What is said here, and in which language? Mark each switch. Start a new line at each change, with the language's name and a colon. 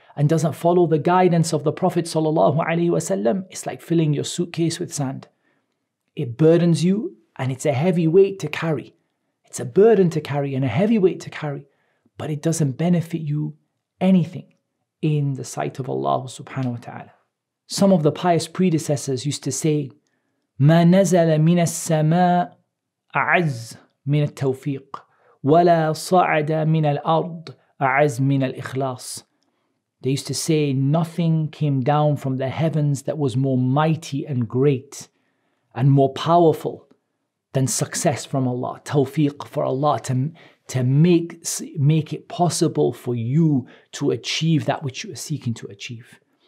English: and doesn't follow the guidance of the Prophet sallallahu alaihi wasallam, it's like filling your suitcase with sand. It burdens you and it's a heavy weight to carry. It's a burden to carry and a heavy weight to carry, but it doesn't benefit you anything in the sight of Allah subhanahu wa ta'ala. Some of the pious predecessors used to say,
Arabic: مَا نَزَلَ مِنَ السَّمَاءَ أَعَزْ مِنَ التَّوْفِيقِ وَلَا صَعَدَ مِنَ الْأَرْضِ أَعَزْ مِنَ الْإِخْلَاصِ.
English: They used to say, nothing came down from the heavens that was more mighty and great and more powerful than success from Allah, tawfiq, for Allah to make it possible for you to achieve that which you are seeking to achieve.